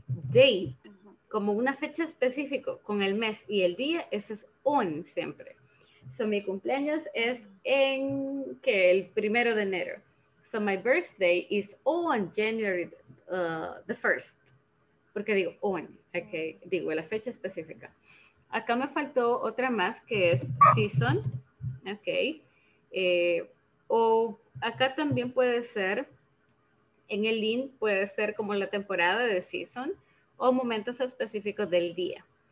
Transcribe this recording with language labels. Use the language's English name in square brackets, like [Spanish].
[Spanish] Date, como una fecha específica con el mes y el día, ese es on siempre. So, mi cumpleaños es en que el primero de enero. [English] So, my birthday is on January the 1st. [Spanish] Porque digo on, okay. Digo la fecha específica. Acá me faltó otra más que es season, okay. O acá también puede ser, en el in puede ser como la temporada de season o momentos específicos del día.